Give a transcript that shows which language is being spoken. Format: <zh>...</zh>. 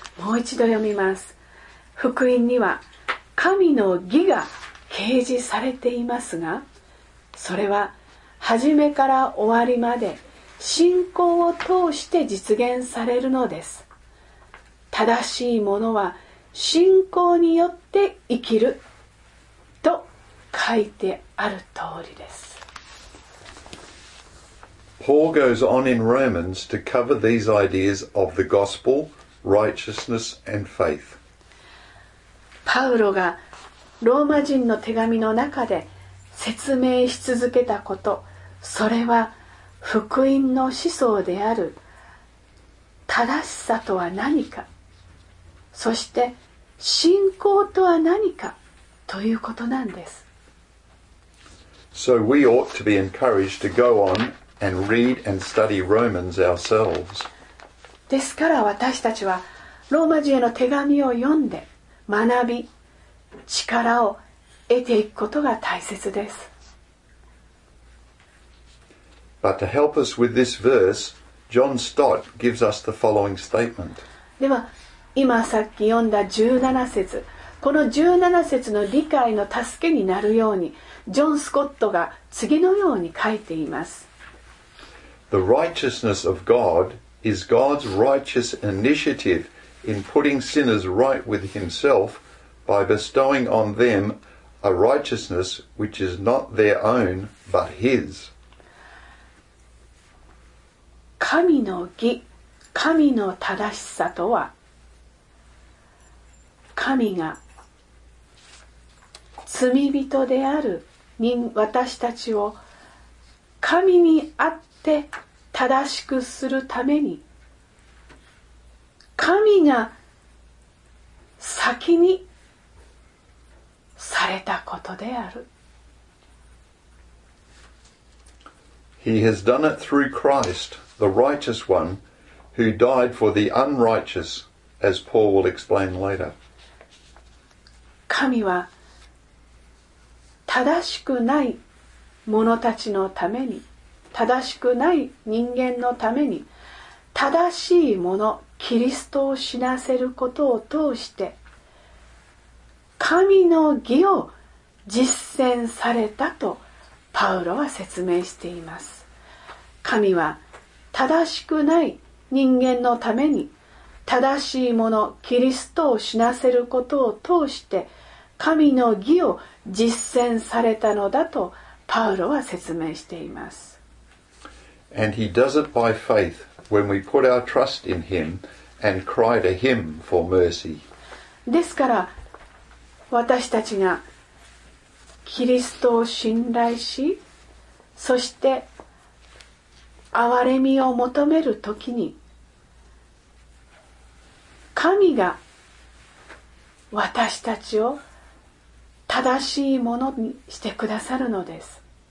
<ja>もう一度読みます。福音には神の義が掲示されていますが、それは初めから終わりまで信仰を通して実現されるのです。正しいものは信仰によって生きると書いてある通りです。</ja> <en>Paul goes on in Romans to cover these ideas of the gospel, righteousness, and faith.</en> <ja>パウロがローマ人の手紙の中で説明し続けたこと、それは福音の思想である正しさとは何か、そして信仰とは何かということなんです。</ja> <en>So we ought to be encouraged to go on and read and study Romans ourselves.</en> <ja>ですから私たちはローマ人への手紙を読んで学び、力を得ていくことが大切です。</ja> <en>But to help us with this verse, John Stott gives us the following statement.</en> <ja>では、今さっき読んだ17節、この17節の理解の助けになるように、ジョン・スコットが次のように書いています。</ja> <en>The righteousness of God is God's righteous initiative in putting sinners right with himself by bestowing on them a righteousness which is not their own but his.</en> <ja>神の義、神の正しさとは、神が罪人である私たちを神にあって正しくするために、神が先にされたことである。</ja> <en>He has done it through Christ, the righteous one, who died for the unrighteous, as Paul will explain later.</en> <ja>神は正しくない者たちのために、正しくない人間のために、正しい者、キリストを死なせることを通して、神の義を実践されたとパウロは説明しています。神は正しくない人間のために、正しい者、キリストを死なせることを通して、神の義を実践されたのだとパウロは説明しています。</ja> <en>And he does it by faith when we put our trust in him and cry to him for mercy.</en> <ja>ですから私たちがキリストを信頼し、そして憐れみを求めるときに、神が私たちを正しいものにしてくださるのです。</ja>